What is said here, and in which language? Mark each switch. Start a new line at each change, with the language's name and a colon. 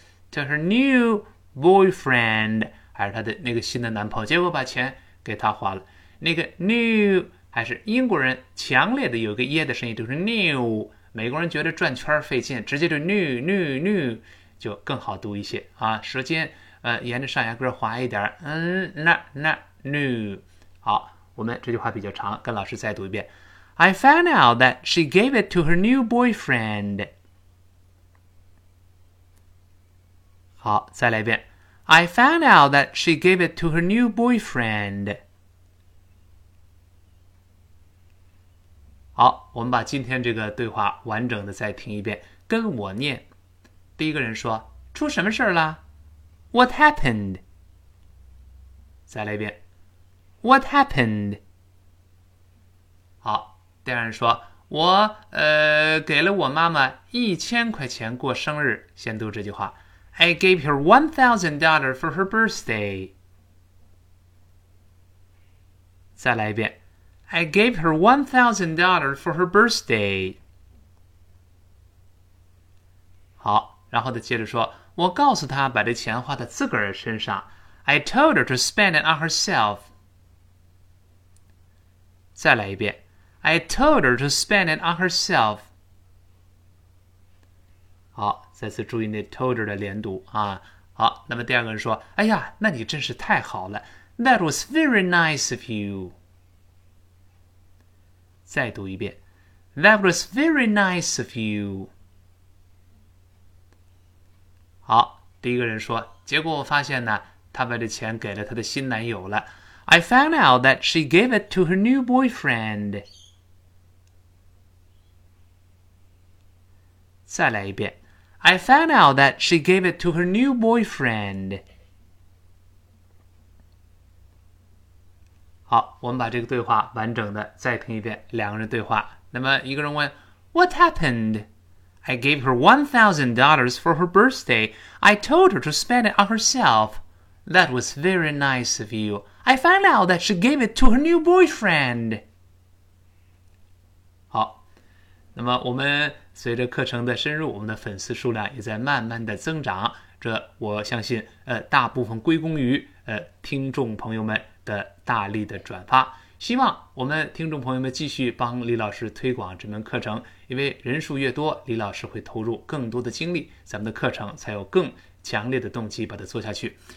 English: to her new boyfriend，
Chinese: 还是她的那个新的男朋友，结果把钱给他花了。那个 new 还是英国人强烈的有个 耶 的声音，就是 new， 美国人觉得转圈费劲，直接就 new 就更好读一些啊，舌尖沿着上牙根滑一点，那 new。好，我们这句话比较长，跟老师再读一遍。
English: I found out that she gave it to her new boyfriend.
Chinese: 好，再来一遍。
English: I found out that she gave it to her new boyfriend.
Chinese: 好，我们把今天这个对话完整的再听一遍，跟我念。第一个人说，出什么事了？
English: What happened?
Chinese: 再来一遍。
English: What happened?
Chinese: 好，第二人说，我给了我妈妈$1,000过生日。先读这句话。
English: I gave her $1,000 for her birthday.
Chinese: 再来一遍。
English: I gave her $1,000 for her birthday.
Chinese: 好，然后他接着说，我告诉她把这钱花在自个儿身上。
English: I told her to spend it on herself.
Chinese: 再来一遍。
English: I told her to spend it on herself.
Chinese: 好，再次注意那 told her 的连读啊。好，那么第二个人说，哎呀，那你真是太好了。
English: That was very nice of you.
Chinese: 再读一遍。
English: That was very nice of you.
Chinese: 好，第一个人说，结果我发现呢，她把这钱给了她的新男友了。
English: I found out that she gave it to her new boyfriend.
Chinese: 再来一遍。
English: I found out that she gave it to her new boyfriend.
Chinese: 好，我们把这个对话完整的再听一遍，两个人对话。那么一个人问
English: What happened? I gave her $1,000 for her birthday. I told her to spend it on herself. That was very nice of you. I found out that she gave it to her new boyfriend.
Chinese: 好，那么我们随着课程的深入，我们的粉丝数量也在慢慢的增长，这我相信大部分归功于听众朋友们的大力的转发，希望我们听众朋友们继续帮李老师推广这门课程，因为人数越多，李老师会投入更多的精力，咱们的课程才有更强烈的动机把它做下去。